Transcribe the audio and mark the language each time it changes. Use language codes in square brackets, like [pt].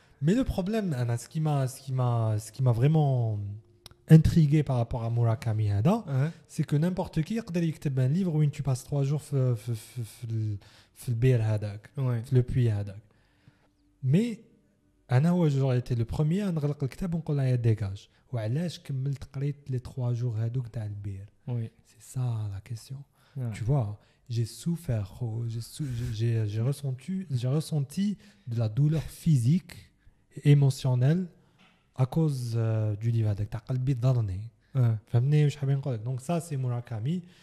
[fr] Mais le problème [ar] ana [fr] ce qui m'a vraiment intrigué par rapport à Murakami [ar] hada, [fr] uh-huh. C'est que n'importe qui peut écrire un livre où tu passes 3 jours le [ar] bir hadak, [fr] le puits [ar] hadak. [fr] Mais [ar] ana wa [fr] j'aurais été le premier à [ar] نغلق الكتاب ونقول لها [fr] dégage. Ou [ar] علاش كملت قريت [fr] les 3 jours [ar] hadouk تاع البير. [fr] Oui. C'est ça la question. Ouais. Tu vois, j'ai souffert, j'ai ressenti de la douleur physique et émotionnelle à cause du livre [ar] hadak تاع قلبي ضرني. فهمني واش حاب نقول. [fr] Donc ça c'est Murakami.